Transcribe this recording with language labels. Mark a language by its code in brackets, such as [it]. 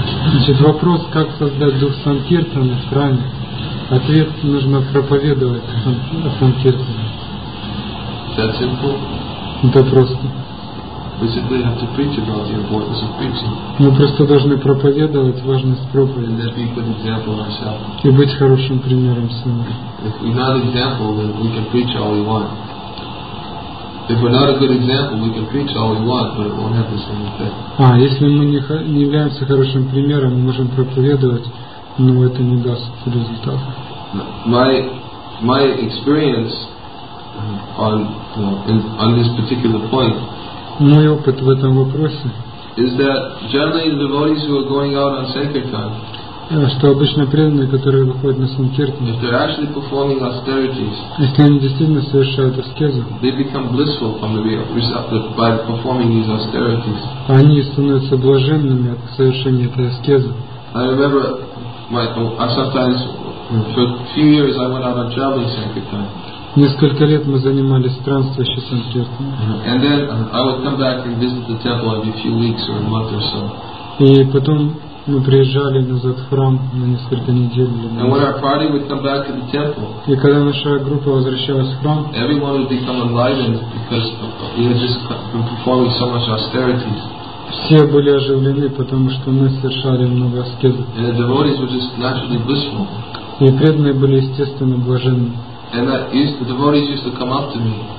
[ru] Значит, вопрос, как создать дух санкиртана в храме? Ответ: нужно проповедовать санкиртан. [en] That simple? [ru] Это просто. [en] We simply have to preach about the importance of preaching. [ru] Мы просто должны проповедовать важность проповеди. [en] And be a good example ourselves. [ru] И быть хорошим примером сами. [en] If we're not an example, then we can preach all we want. If we're not a good example, we can preach all we want, but it won't have the same effect. [ru] А если мы не являемся хорошим примером, мы можем проповедовать, но это не даст результата. [en] My experience on this particular point. [ru] Мой опыт в этом вопросе [en] is that generally the devotees who are going out on sankirtan, [ru] что обычно преданные, которые выходят на санкиртан, [en] if they're actually performing austerities, [ru] если они действительно совершают аскезу, [en] they become blissful from the result by performing these austerities. [ru] Они становятся блаженными от совершения этой аскезы. [en] I remember sometimes for a few years I went out on traveling sankirtan. [ru] Несколько лет мы занимались странствующим санкиртаном. [en] And then I would come back and visit the temple every few weeks or a month or so. [ru] И потом мы приезжали назад в храм на несколько недель. [en] And when our party would come back to the temple. [ru] И когда наша группа возвращалась в храм. [en] Everyone would become enlightened because we had just been performing so much austerities. [ru] Все были оживлены, потому что мы совершали много аскезы. [en] And the devotees were just naturally blissful. [ru] И преданные были естественно блаженны. [en] And the devotees used to come up to me.